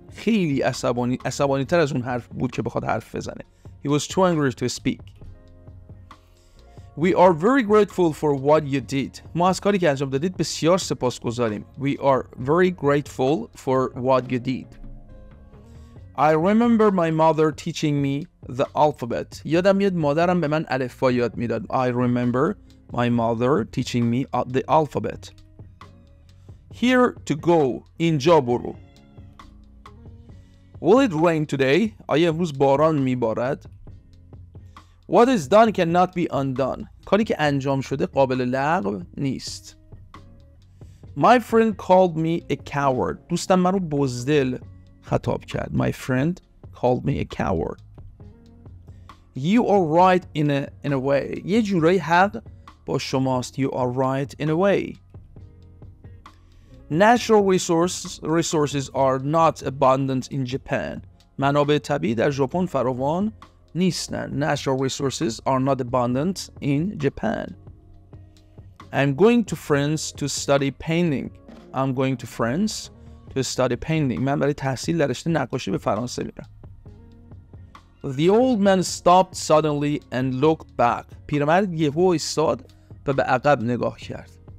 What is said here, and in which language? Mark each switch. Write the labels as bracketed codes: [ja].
[fa] خیلی عصبانی تر از اون حرف بود که بخواد حرف بزنه. [en] He was too angry to speak. We are very grateful for what you did. [fa] ما از کاری که انجام دادید بسیار سپاسگزاریم. [en] We are very grateful for what you did. I remember my mother teaching me the alphabet. [fa] یادم میاد مادرم به من الفبا یاد میداد. [en] I remember my mother teaching me the alphabet. Here to go. [fa] اینجا برو. [en] Will it rain today? [fa] آیا امروز باران میبارد؟ [en] What is done cannot be undone. [fa] کاری که انجام شده قابل لغو نیست. [en] My friend called me a coward. [fa] دوستم من رو بزدل خطاب کرد. [en] My friend called me a coward. You are right in a way. [fa] یه جورایی حق با شماست. [en] You are right in a way. Natural resources are not abundant in Japan. [fa] منابع طبیعی در ژاپن فراوان نیستند. [en] Natural resources are not abundant in Japan. I'm going to France to study painting. I'm going to France to study painting. [fa] من برای تحصیل در رشته نقاشی به فرانسه میرم. [en] The old man stopped suddenly and looked back. [fa] پیرمرد یهو ایستاد و به عقب نگاه کرد.